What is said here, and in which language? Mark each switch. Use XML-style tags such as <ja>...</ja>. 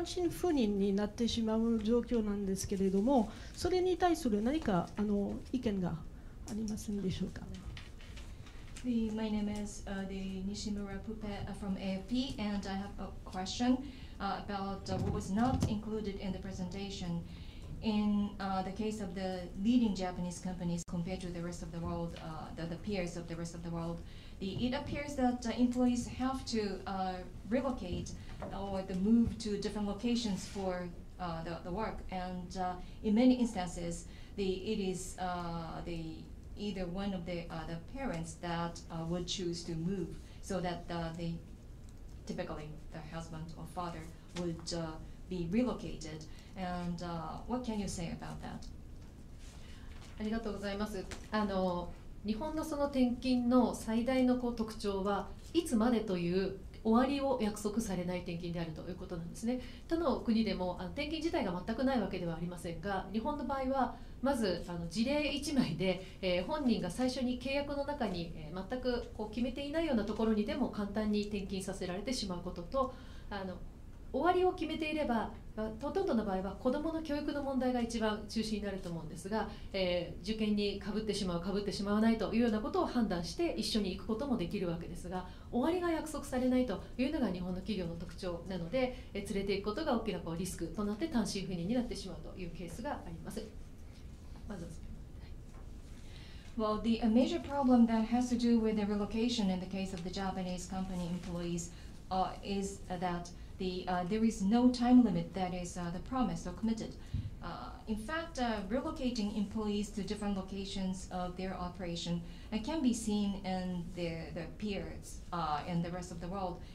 <ja>赴任になってしまう状況なんですけれども、それに対する何か意見がありますんでしょうか。</ja> <en>My name is Nishimura Puppe from AFP, and I have a question about what was not included in the presentation. In the case of the leading Japanese companies compared to the rest of the world, the peers of the rest of the world, it appears that employees have to relocate or the move to different locations for the work. And in many instances, either one of the parents that would choose to move, so that the typically the husband or father would be relocated. And what can you say about that?</en> <ja>ありがとうございます。日本のその転勤の最大のこう特徴はいつまでという終わりを約束されない転勤であるということなんですね。他の国でも転勤自体が全くないわけではありませんが、日本の場合はまず辞令1枚で、本人が最初に契約の中に、全くこう決めていないようなところにでも簡単に転勤させられてしまうことと、終わりを決めていればほとんどの場合は子どもの教育の問題が一番中心になると思うんですが、受験にかぶってしまうかぶってしまわないというようなことを判断して一緒に行くこともできるわけですが、終わりが約束されないというのが日本の企業の特徴なので、連れていくことが大きなこうリスクとなって単身赴任になってしまうというケースがあります。まずは、</ja> <en>Well, the a major problem that has to do with the relocation in the case of the Japanese company employees is thatthere is no time limit that is the promise or committed. In fact, relocating employees to different locations of their operation can be seen in their peers in the rest of the world.</en>